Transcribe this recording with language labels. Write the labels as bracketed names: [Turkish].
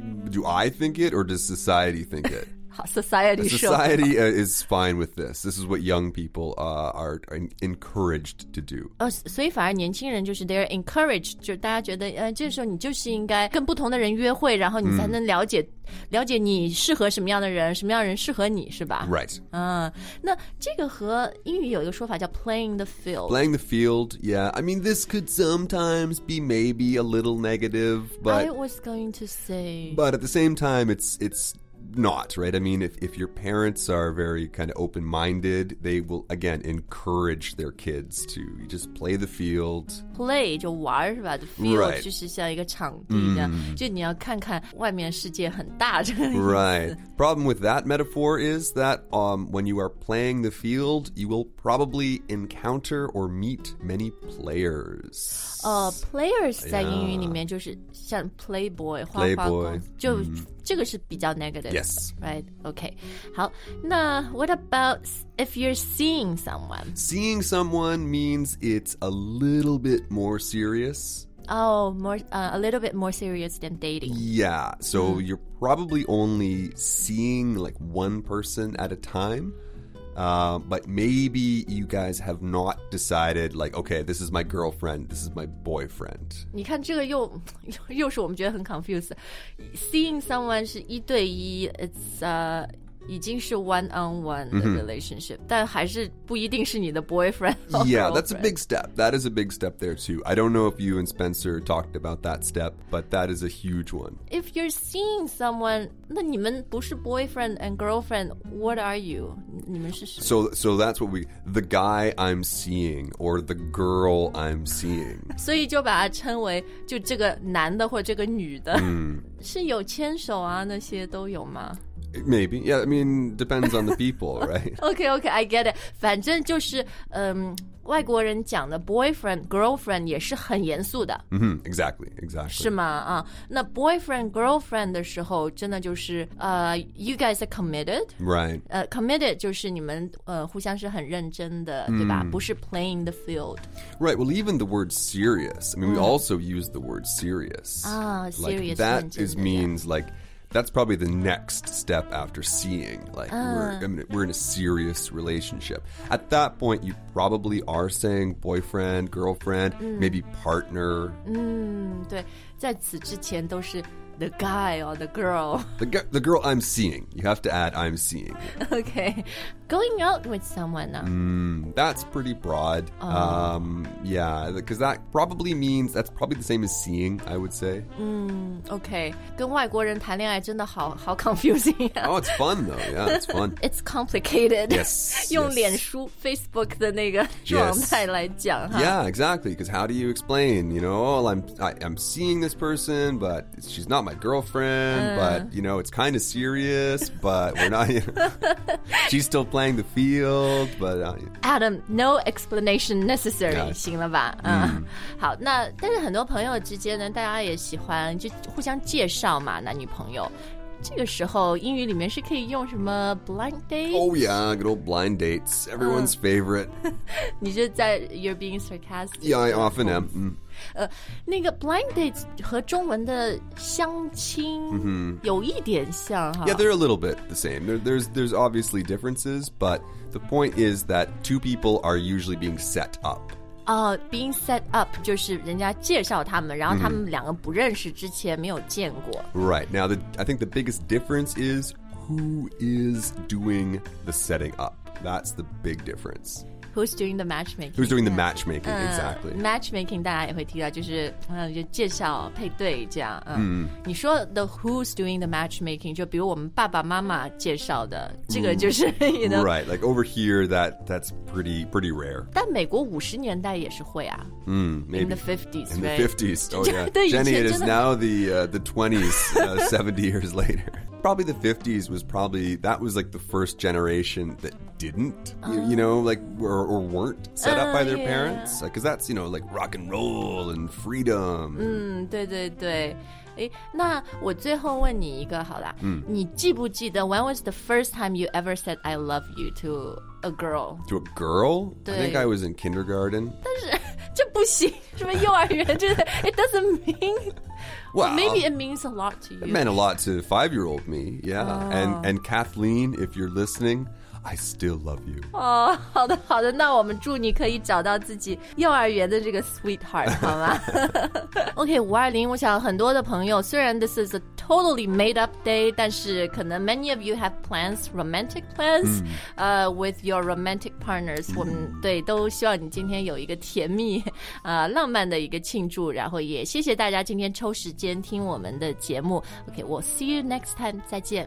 [English] Do I think it or does society think it? Society is fine with this. This is what young people are encouraged to do. [Chinese] Oh, 所以反而年轻人就是 [English] they're encouraged, [Chinese] 就大家觉得这时候你就是应该跟不同的人约会然后你才能了解、了解你适合什么样的人什么样的人适合你是吧 [English] Right. [Chinese] 那这个和英语有一个说法叫 playing the field. [English] Playing the field, yeah. I mean, this could sometimes be maybe a little negative, but... I was going to say... But at the same time, it's... Not, right? I mean, if your parents are very kind of open-minded, they will, again, encourage their kids to just play the field. [Chinese] Play, 就玩是吧 [English] The field、 right. [Chinese] 就是像一个场地一样、就你要看看外面世界很大这个意思 [English] Right. Problem with that metaphor is that、when you are playing the field, you will probably encounter or meet many players. Players、yeah. [Chinese] 在英语里面就是像 playboy, 花花公就、这个是比较 negative. [English] Yes. Right, okay. [Chinese] 好，那 [English] what about if you're seeing someone? Seeing someone means it's a little bit more serious. Oh, a little bit more serious than dating. Yeah, so you're probably only seeing like one person at a time. But maybe you guys have not decided, like, okay, this is my girlfriend, this is my boyfriend. [Chinese] 你看这个又是我们觉得很 confused. Seeing someone 是一对一 it's, 已经是 one-on-one 的 relationship,、mm-hmm. 但还是不一定是你的 boyfriend [English] or girlfriend. Yeah, that's a big step. That is a big step there, too. I don't know if you and Spencer talked about that step, but that is a huge one. If you're seeing someone... [Chinese] 那你们不是 [English] boyfriend and girlfriend, what are you? [Chinese] 你们是谁 [English] so that's what the guy I'm seeing or the girl I'm seeing. [Chinese] 所以就把它称为就这个男的或这个女的、mm. 是有牵手啊那些都有吗 [English] Maybe, yeah, I mean, depends on the people, right? okay, I get it. [Chinese] 反正就是、外国人讲的 boyfriend, girlfriend 也是很严肃的、 [English] mm-hmm, Exactly, exactly. [Chinese] 是吗、啊、那 boyfriend, girlfriend 的时候真的就是、 [English] you guys are committed. Right.、 [Chinese] committed 就是你们、互相是很认真的、mm. 对吧不是 playing the field. [English] Right, well even the word serious, I mean、mm. we also use the word serious.、 Ah, serious like that is means like,That's probably the next step after seeing. Like, we're in a serious relationship. At that point, you probably are saying boyfriend, girlfriend,、mm. maybe partner. [Chinese] 对，在此之前都是 the guy or the girl. [English] The girl I'm seeing. You have to add I'm seeing. Okay. Going out with someone.、 That's pretty broad.、yeah, because that probably means, that's probably the same as seeing, I would say.、 Okay. [Chinese] 跟外国人谈恋爱真的好 confusing.、 [English] Oh, it's fun though. Yeah, it's fun. It's complicated. Yes. [Chinese] 用脸书 Facebook 的那个状态来讲、 [English] yes. huh? Yeah, exactly. Because how do you explain? You know, I'm seeing this person, but she's not my girlfriend.、but, you know, it's kind of serious, but we're not, you know, she's still playing the field, but、 Adam, no explanation necessary、yeah. [Chinese] 行了吧、好那但是很多朋友之间呢大家也喜欢就互相介绍嘛男女朋友这个时候英语里面是可以用什么 blind date? [English] Oh yeah, good old blind dates, everyone's favorite. [Chinese] 你就在 [English] you're being sarcastic? Yeah, I often am.、 [Chinese] 那个 blind dates 和中文的相亲有一点像、 [English] Yeah, they're a little bit the same. There's obviously differences, but the point is that two people are usually being set up. [Chinese] Being set up 就是人家介绍他们然后他们两个不认识之前没有见过 [English] Right, now I think the biggest difference is who is doing the setting up. That's the big difference. Who's doing the matchmaking? Who's doing the matchmaking, exactly. [Chinese] Matchmaking 大家也会提到就是、就介绍配对这样、你说的 [English] who's doing the matchmaking [Chinese] 就比如我们爸爸妈妈介绍的这个就是、 [English] you know, Right, like over here that's pretty rare. [Chinese] 但美国50年代也是会啊 [English] maybe. In the 50s, In、 right? the 50s, oh yeah. Jenny, it is now the 20s, 70 years later. Probably the 50s was probably, that was like the first generation that didn't, you know, like, or weren't set up by their、 yeah. parents. Because that's, you know, like rock and roll and freedom. [Chinese] 对对对。那我最后问你一个好了、你记不记得 [English] when was the first time you ever said I love you to a girl? To a girl? [Chinese] 对 [English] I think I was in kindergarten. [Chinese] 但是这不行什么幼儿园就是 [English] it doesn't mean... Well, maybe it means a lot to you. It meant a lot to 5-year-old me, yeah.、And Kathleen, if you're listening... I still love you. [Chinese] Oh, 好的好的那我们祝你可以找到自己幼儿园的这个 sweetheart, 好吗 OK, 520, 我想很多的朋友虽然 [English] this is a totally made up day, [Chinese] 但是可能 [English] many of you have plans, romantic plans,、 with your romantic partners.、 [Chinese] 我们对都希望你今天有一个甜蜜、浪漫的一个庆祝然后也谢谢大家今天抽时间听我们的节目。 [English] OK, we'll see you next time, [Chinese] 再见。